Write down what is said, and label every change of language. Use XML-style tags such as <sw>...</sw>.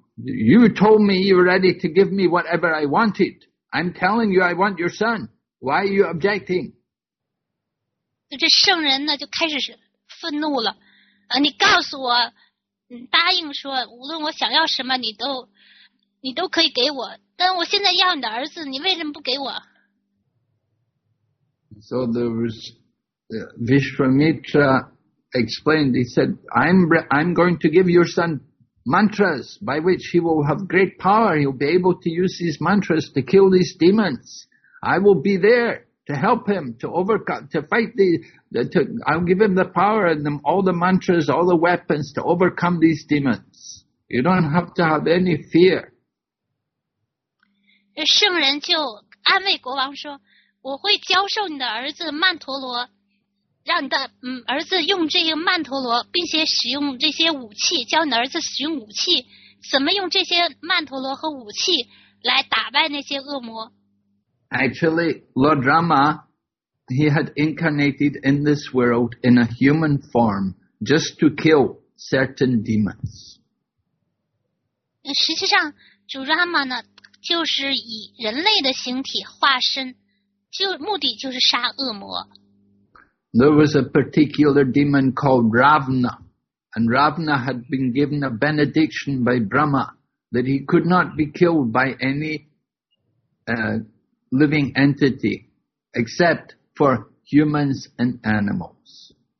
<en>You told me you were ready to give me whatever I wanted. I'm telling you I want your son. Why are you objecting?</en> <zh>这圣人呢就开始愤怒了。你告诉我，你答应说无论我想要什么你都可以给我，但我现在要你的儿子，你为什么不给我？</zh> <en>So there was Vishwamitra explained. He said, I'm going to give your son. Mantras by which he will have great power. He'll be able to use these mantras to kill these demons. I will be there to help him to overcome, to fight I'll give him the power and all the mantras, all the weapons to overcome these demons. You don't have to have any fear.</en> <zh>圣人就安慰国王说，我会教授你的儿子曼陀罗，让你的儿子用这个曼陀罗，并且使用这些武器，教你的儿子使用武器怎么用这些曼陀罗和武器来打败那些恶魔。</zh> <en>Actually, Lord Rama, he had incarnated in this world in a human form just to kill certain demons.</en> <zh>实际上主 Rama 呢就是以人类的形体化身，就目的就是杀恶魔。</zh> <en>There was a particular demon called Ravana, and Ravana had been given a benediction by Brahma that he could not be killed by any living entity except for humans and animals.</en>